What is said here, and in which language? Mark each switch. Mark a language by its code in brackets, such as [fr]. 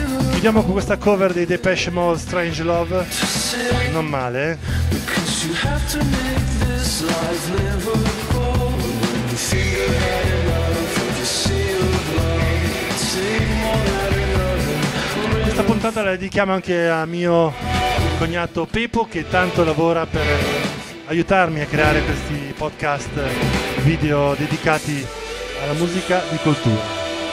[it] Chiudiamo con questa cover dei Depeche Mode, Strange Love, non male. [en] You have to make this life livable. When you think you had enough of your sealed love, take more than [it] questa puntata la dedichiamo anche a mio cognato Pepo, che tanto lavora per aiutarmi a creare questi podcast video dedicati alla musica di cultura.